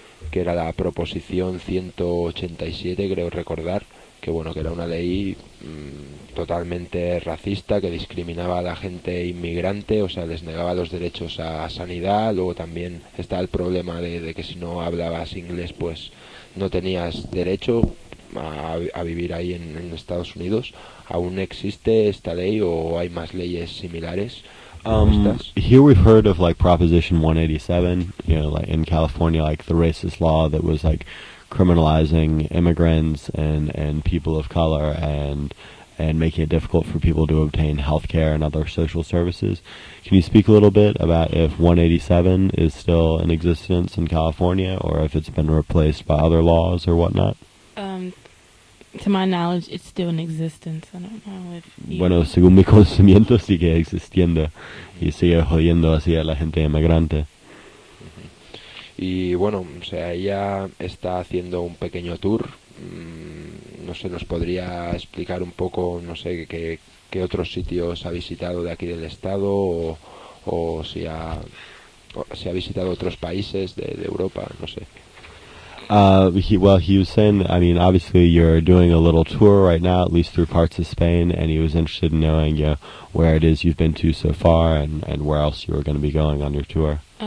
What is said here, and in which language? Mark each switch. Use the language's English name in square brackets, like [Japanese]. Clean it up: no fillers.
[Spanish] que era la proposición 187, creo recordar, que bueno, que era una ley totalmente racista, que discriminaba a la gente inmigrante, o sea, les negaba los derechos a sanidad. Luego también está el problema de que si no hablabas inglés, pues no tenías derecho a vivir ahí en Estados Unidos. ¿Aún existe esta ley o hay más leyes similares? [English] Here we've heard of like Proposition 187, you know, like in California, like the racist law that was like criminalizing immigrants and people of color and making it difficult for people to obtain health care and other social services. Can you speak a little bit about if 187 is still in existence in California or if it's been replaced by other laws or whatnot? To my knowledge, it's still in existence. I don't know if you... [Spanish] Bueno, según mi conocimiento, sigue existiendo y sigue jodiendo así a la gente inmigrante. Y bueno, o sea, ella está haciendo un pequeño tour. No sé, ¿nos podría explicar un poco, no sé, qué otros sitios ha visitado de aquí del estado o si ha visitado otros países de Europa, no sé? [English] He was saying, I mean, obviously you're doing a little tour right now, at least through parts of Spain, and he was interested in knowing, you know, where it is you've been to so far and where else you are going to be going on your tour.